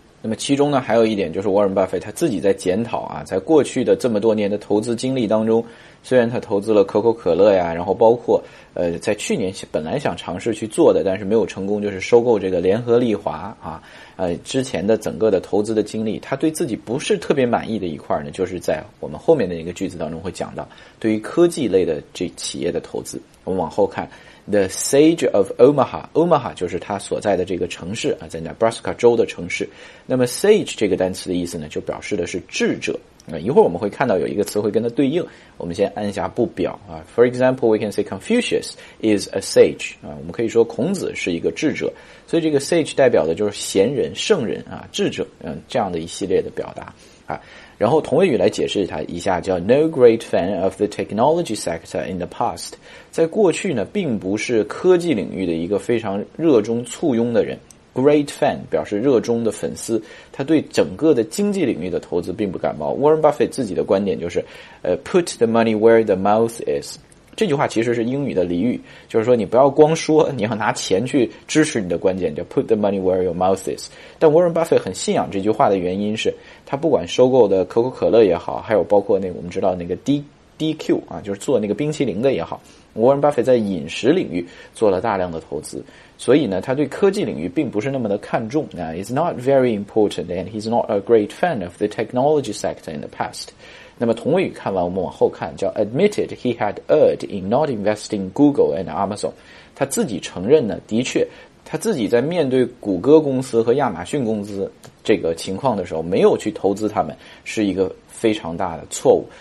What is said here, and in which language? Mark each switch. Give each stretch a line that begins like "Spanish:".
Chinese: 那么其中呢，还有一点就是 Warren Buffett 他自己在检讨啊，在过去的这么多年的投资经历当中，虽然他投资了可口可乐呀，然后包括在去年本来想尝试去做的，但是没有成功，就是收购这个联合利华啊，之前的整个的投资的经历，他对自己不是特别满意的一块呢，就是在我们后面的一个句子当中会讲到，对于科技类的这企业的投资，我们往后看。 The Sage of Omaha 就是他所在的这个城市啊，在 Nebraska 州的城市。那么 Sage 这个单词的意思呢，就表示的是智者。一会儿我们会看到有一个词会跟它对应，我们先按下不表啊。
English: For example, we can say Confucius is a sage 啊，
Chinese: 我们可以说孔子是一个智者。所以这个 Sage 代表的就是贤人、圣人啊、智者，这样的一系列的表达啊。然后同位语来解释它一下，叫
English: no great fan of the technology sector in the past，
Chinese: 在过去呢并不是科技领域的一个非常热衷簇拥的人。 great fan 表示热衷的粉丝，他对整个的经济领域的投资并不感冒。 Warren Buffett 自己的观点就是
English: put the money where the mouth is，
Chinese: 这句话其实是英语的俚语，就是说你不要光说，你要拿钱去支持你的观点，叫
English: put the money where your mouth is。
Chinese: 但 Warren Buffett 很信仰这句话的原因是，他不管收购的可口可乐也好，还有包括那个我们知道那个 DQ 啊，就是做那个冰淇淋的也好， Warren Buffett 在饮食领域做了大量的投资，所以呢他对科技领域并不是那么的看重。
English: It's not very important and he's not a great fan of the technology sector in the past。
Chinese: 那么同位语看完我们往后看，叫
English: admitted he had erred in not investing Google and Amazon，
Chinese: 他自己承认呢，的确他自己在面对谷歌公司和亚马逊公司这个情况的时候，没有去投资他们，是一个非常大的错误。